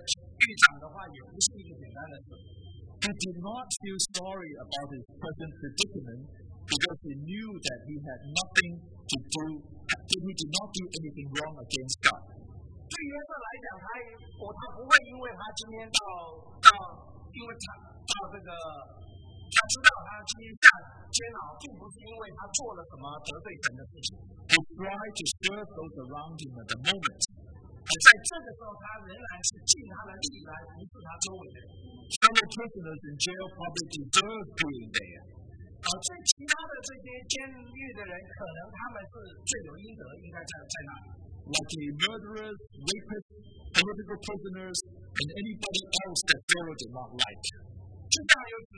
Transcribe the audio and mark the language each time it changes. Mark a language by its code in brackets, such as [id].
[zh] 要知道约瑟现在要来服侍他监牢里的这个狱长的话，也不是一个简单的事。 [en] He did not feel sorry about his present predicament because he knew that he had nothing to do. He did not do anything wrong against God. [zh] 对约瑟来讲，他我不会因为他今天到这个，他知道他今天下监牢，并不是因为他做了什么得罪神的事情。 [en] He tried to serve those around him at the moment. [zh] 在这个时候，他仍然是尽他的力来服侍他周围的人。 [en] Some prisoners in jail probably deserve being there. [zh] 而最其他的这些监狱的人，可能他们是罪有应得，应该在那里。 [en] Like the murderers, rapists, political prisoners, and anybody else that Pharaoh did not like.